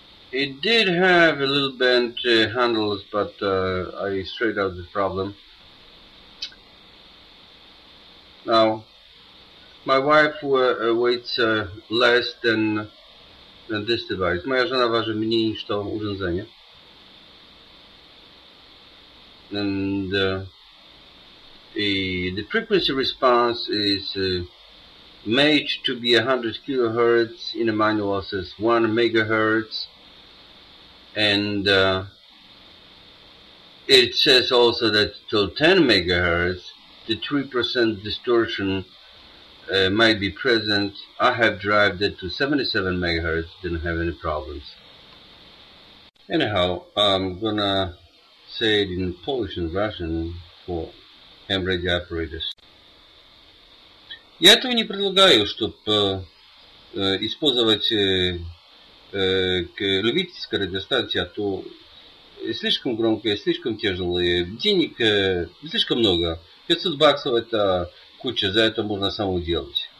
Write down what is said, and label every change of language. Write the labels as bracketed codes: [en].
[en] It did have a little bent handles, but I straightened out the problem. Now, my wife weighs less than this device. [pl] Moja żona waży mniej niż to urządzenie. [en] And the frequency response is made to be 100 kHz. In the manual says 1 MHz. And it says also that till 10 MHz, the 3% distortion might be present. I have drived it to 77 MHz, didn't have any problems. Anyhow, I'm gonna say it in Polish and Russian for ham radio operators. [ru] Я этого не предлагаю, чтобы использовать к любительской радиостанции, а то слишком громкое, слишком тяжелое, денег слишком много. 500 баксов это куча, за это можно само делать.